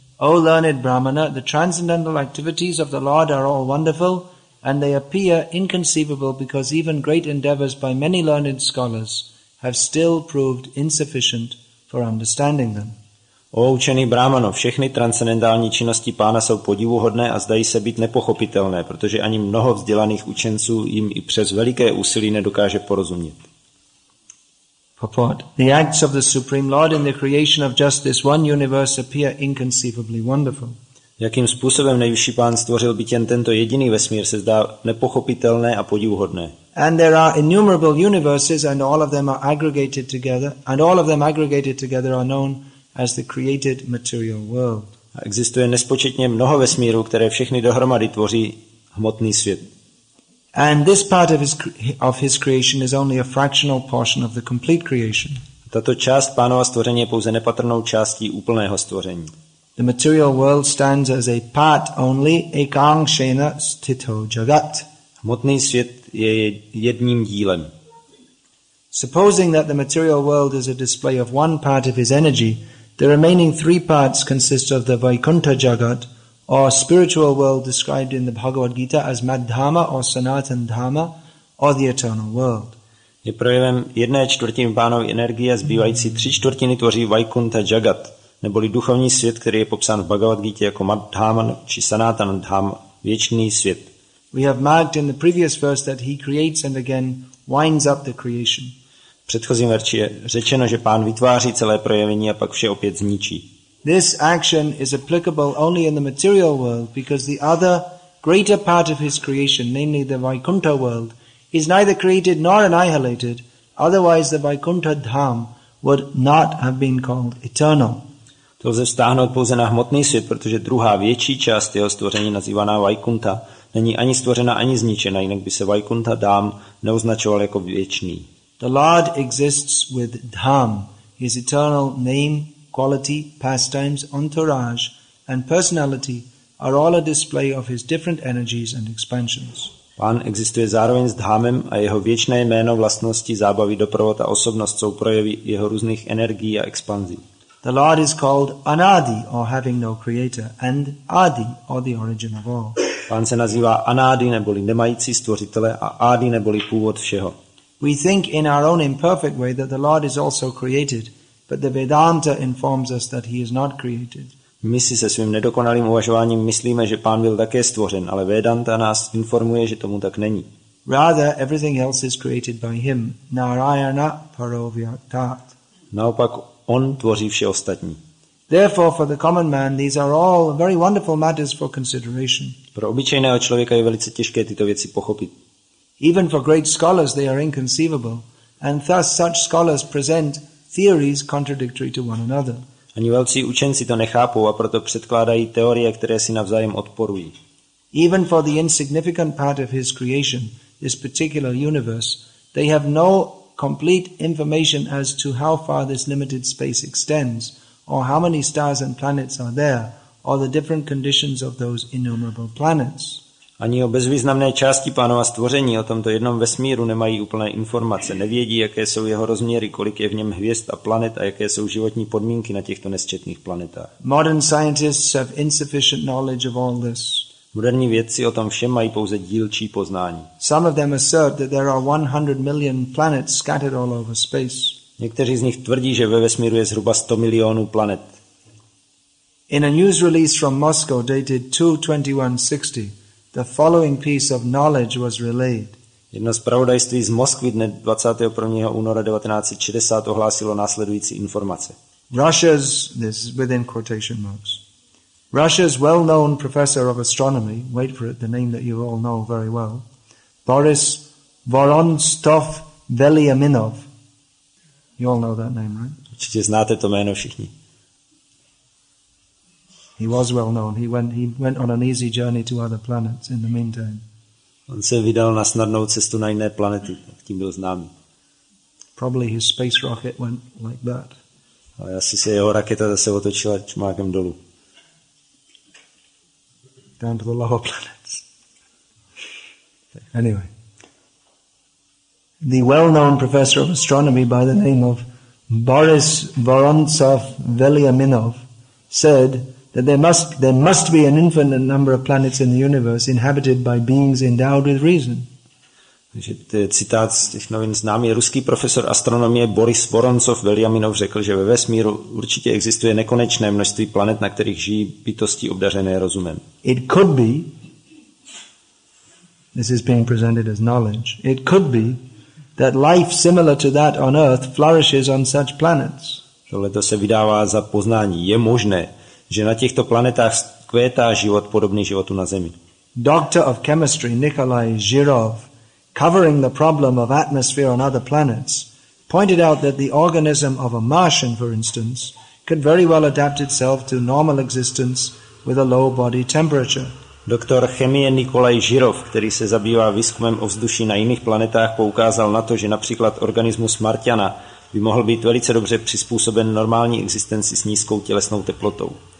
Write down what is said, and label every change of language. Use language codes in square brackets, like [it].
[en] O learned Brahmana, the transcendental activities of the Lord are all wonderful, and they appear inconceivable because even great endeavors by many learned scholars have still proved insufficient for understanding them. [cs] O učený Brahmano, všechny transcendentální činnosti pána jsou podivuhodné a zdají se být nepochopitelné, protože ani mnoho vzdělaných učenců jim i přes veliké úsilí nedokáže porozumět. [en] Purport. The acts of the Supreme Lord in the creation of just this one universe appear inconceivably wonderful. [cs] Jakým způsobem nejvyšší pán stvořil být jen tento jediný vesmír, se zdá nepochopitelné a podivuhodné. [en] And there are innumerable universes and all of them are aggregated together and all of them aggregated together are known as the created material world. [cs] Existuje nespočetně mnoho vesmírů, které všechny dohromady tvoří hmotný svět. [en] And this part of his creation is only a fractional portion of the complete creation. [cs] Tato část pánova stvoření je pouze nepatrnou částí úplného stvoření. [en] The material world stands as a part only, [sa] ekangshena stito jagat. [cs] Hmotný svět je jedním dílem. [en] Supposing that the material world is a display of one part of his energy, the remaining three parts consist of the Vaikuntha Jagat, or spiritual world described in the Bhagavad Gita as Madhama or Sanatan Dhamma, or the eternal world. [cs] Je projevem jedné čtvrtiny pánové energie, zbývající tři čtvrtiny tvoří Vaikuntha Jagat, neboli duchovní svět, který je popsán v Bhagavad Gita jako Madhama či Sanatan Dhamma, věčný svět. [en] We have marked in the previous verse that he creates and again winds up the creation. [cs] V předchozím verši je řečeno, že pán vytváří celé projevení a pak vše opět zničí. [en] This action is applicable only in the material world because the other greater part of his creation, namely the Vaikuntha world, is neither created nor annihilated, otherwise the Vaikuntha dham would not have been called eternal. [cs] To lze vztáhnout pouze na hmotný svět, protože druhá větší část jeho stvoření nazývaná Vaikuntha není ani stvořena, ani zničena, jinak by se Vaikuntha dham neuznačoval jako věčný. [en] The Lord exists with Dham, His eternal name, quality, pastimes, entourage, and personality are all a display of His different energies and expansions. [cs] Pán existuje zároveň s Dhamem a jeho věčné jméno, vlastnosti, zábavy, doprovod a osobnost jsou projevy jeho různých energií a expanzí. [en] The Lord is called Anadi, or having no creator, and Adi, or the origin of all. [cs] Pán se nazývá Anadi, neboli nemající stvořitele, a Adi, neboli původ všeho. [en] We think in our own imperfect way that the Lord is also created, but the Vedanta informs us that he is not created. [cs] My si se svým nedokonalým uvažováním myslíme, že pán byl také stvořen, ale Vedanta nás informuje, že tomu tak není. [en] Rather, everything else is created by him. [sa] Narayana parovyaktat. [cs] Naopak, on tvoří vše ostatní. [en] Therefore, for the common man, these are all very wonderful matters for consideration. [cs] Pro obyčejného člověka je velice těžké tyto věci pochopit. [en] Even for great scholars they are inconceivable, and thus such scholars present theories contradictory to one another. [cs] Ani velcí učenci to nechápou a proto předkládají teorie, které si navzájem odporují. [en] Even for the insignificant part of his creation, this particular universe, they have no complete information as to how far this limited space extends, or how many stars and planets are there, or the different conditions of those innumerable planets. [cs] Ani o bezvýznamné části pánova stvoření, o tomto jednom vesmíru nemají úplné informace. Nevědí, jaké jsou jeho rozměry, kolik je v něm hvězd a planet a jaké jsou životní podmínky na těchto nesčetných planetách. [en] Modern scientists have insufficient knowledge of all this. [cs] Moderní vědci o tom všem mají pouze dílčí poznání. [en] Some of them assert that there are 100 million planets scattered all over space. [cs] Někteří z nich tvrdí, že ve vesmíru je zhruba 100 milionů planet. [en] In a news release from Moscow dated 2/21/60, the following piece of knowledge was relayed. [cs] Jedno zpravodajství z Moskvy dne 21. února 1960 ohlásilo následující informace. [en] Russia's well-known professor of astronomy, wait for it, the name that you all know very well, Boris Vorontsov Veliaminov. You all know that name, right? [cs] Určitě znáte to jméno všichni. [en] He was well known. He went on an easy journey to other planets in the meantime. [cs] On se vydal na snadnou cestu na jiné planety, tím byl známý. [en] Probably his space rocket went like that. [cs] A asi se jeho raketa zase otočila čmákem dolů. [en] down to the lower planets. Anyway, the well-known professor of astronomy by the name of Boris Vorontsov Veliaminov said that there must be an infinite number of planets in the universe inhabited by beings endowed with reason. [cs] Takže citát z těch novin, známý ruský profesor astronomie Boris Vorontsov Veliaminov řekl, že ve vesmíru určitě existuje nekonečné množství planet, na kterých žijí bytosti obdařené rozumem. [en] It could be, this is being presented as knowledge, it could be that life similar to that on Earth flourishes on such planets. [cs] Tohle to se vydává za poznání. Je možné, že na těchto planetách kvétá život podobný životu na Zemi. [en] Doctor of chemistry Nikolai Žirov, covering the problem of atmosphere on other planets, pointed out that the organism of a Martian, for instance, could very well adapt itself to normal existence with a low body temperature. [cs] Doktor chemie Nikolaj Žirov, který se zabývá výzkumem ovzduší na jiných planetách, poukázal na to, že například organismus Marťana by mohl být velice dobře přizpůsoben normální existenci s nízkou tělesnou teplotou.